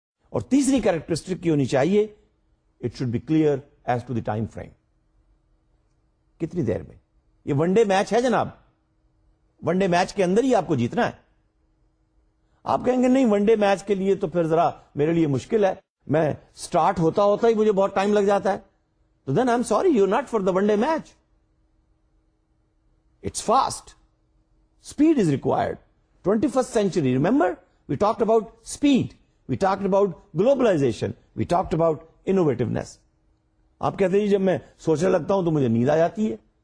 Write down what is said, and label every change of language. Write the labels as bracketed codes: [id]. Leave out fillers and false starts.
[ur] اور تیسری کیریکٹرسٹک کی ہونی چاہیے, [en] It should be clear as to the time frame. [ur] کتنی دیر میں؟ یہ ون ڈے میچ ہے جناب, ون ڈے میچ کے اندر ہی آپ کو جیتنا ہے. آپ کہیں گے نہیں ون ڈے میچ کے لیے تو پھر ذرا میرے لیے مشکل ہے, میں سٹارٹ ہوتا ہوتا ہی مجھے بہت ٹائم لگ جاتا ہے. [en] تو then I am sorry, you not for the one day match. It's fast, speed is required. 21st century, remember we talked about speed, we talked about globalization, we talked about innovativeness. [ur] آپ کہتے ہیں جب میں سوچنے لگتا ہوں تو مجھے نیند آ جاتی ہے.